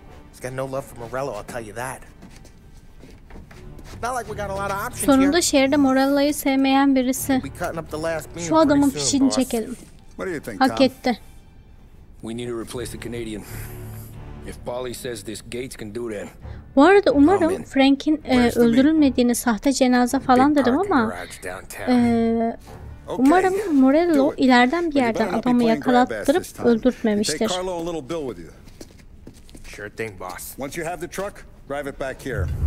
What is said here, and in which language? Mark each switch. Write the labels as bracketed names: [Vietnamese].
[English] He's got no love for Morello, I'll tell you that. Not like we got a lot of options. [Turkish] Sonunda şehirde Morello'yu sevmeyen birisi. Şu adamın pişini çekelim. [English] What do you think, [Turkish] Tom? Hak etti. [English] We need to replace the Canadian. If Polly says this, Gates can do that. [Turkish] Bu arada umarım Frank'in öldürülmediğini, sahte cenaze falandır ama umarım Morello ileriden bir yerden adamı yakalattırıp öldürtmemiştir. [English] Take Carlo and little Bill with you. Sure thing, boss. Once you have the truck, drive it back here.